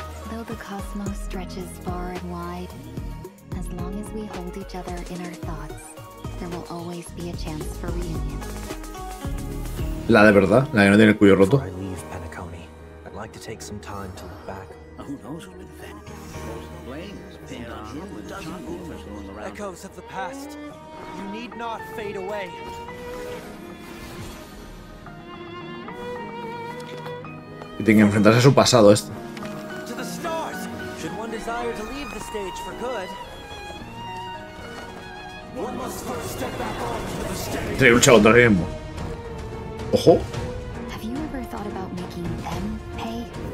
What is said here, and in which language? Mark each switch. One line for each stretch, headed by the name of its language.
English: Though the cosmos stretches far and wide, as long as we hold each other in our thoughts, there will always be a chance for reunion.
Spanish: La de verdad, la que no tiene el cuello roto.
English: I leave Penacony. I'd like to take some time to look back. Who knows who will defend? Echoes of the past. You need not fade away.
Spanish: Y tiene que enfrentarse a su pasado este.
English: To the stars. Should one desire to leave the stage for good, one must first step back onto the stage.
Spanish: Tiene que luchar contra el mismo. Ojo.
English: Have you ever thought about making them pay?